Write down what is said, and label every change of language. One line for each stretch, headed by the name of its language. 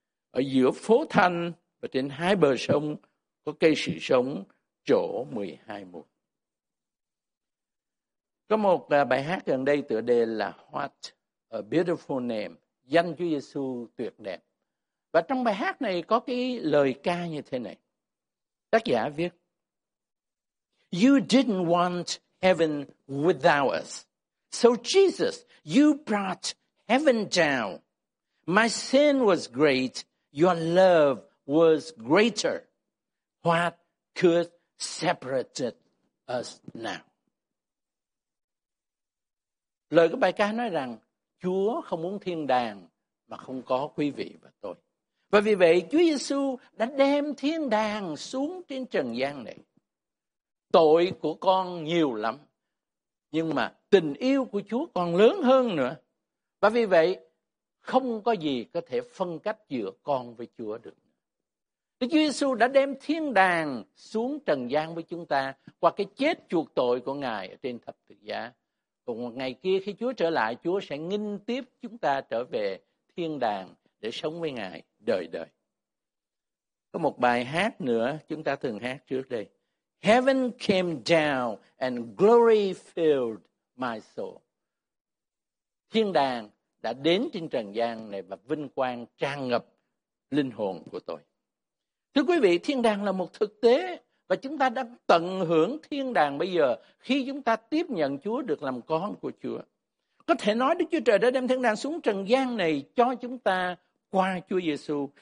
Vietnamese: Ở giữa phố thành và trên hai bờ sông có cây sự sống chỗ 12 mùa. Có một bài hát gần đây tựa đề là What a Beautiful Name, danh Chúa Giê-xu tuyệt đẹp. Và trong bài hát này có cái lời ca như thế này. Tác giả viết:
English: You didn't want heaven without us. So Jesus, you brought heaven down. My sin was great, your love was greater. What could separate us now?
Vietnamese: Lời của bài ca nói rằng Chúa không muốn thiên đàng mà không có quý vị và tôi. Và vì vậy Chúa Giê-xu đã đem thiên đàng xuống trên trần gian này. Tội của con nhiều lắm, nhưng mà tình yêu của Chúa còn lớn hơn nữa. Và vì vậy không có gì có thể phân cách giữa con với Chúa được. Đức Chúa Giê-xu đã đem thiên đàng xuống trần gian với chúng ta qua cái chết chuộc tội của Ngài ở trên thập tự giá. Còn một ngày kia khi Chúa trở lại, Chúa sẽ nghinh tiếp chúng ta trở về thiên đàng để sống với Ngài đời đời. Có một bài hát nữa chúng ta thường hát trước đây.
English: Heaven came down and glory filled my soul.
Vietnamese: Thiên đàng đã đến trên trần gian này và vinh quang tràn ngập linh hồn của tôi. Thưa quý vị, thiên đàng là một thực tế. Và chúng ta đang tận hưởng thiên đàng bây giờ khi chúng ta tiếp nhận Chúa được làm con của Chúa. Có thể nói Đức Chúa Trời đã đem thiên đàng xuống trần gian này cho chúng ta qua Chúa Giê-xu.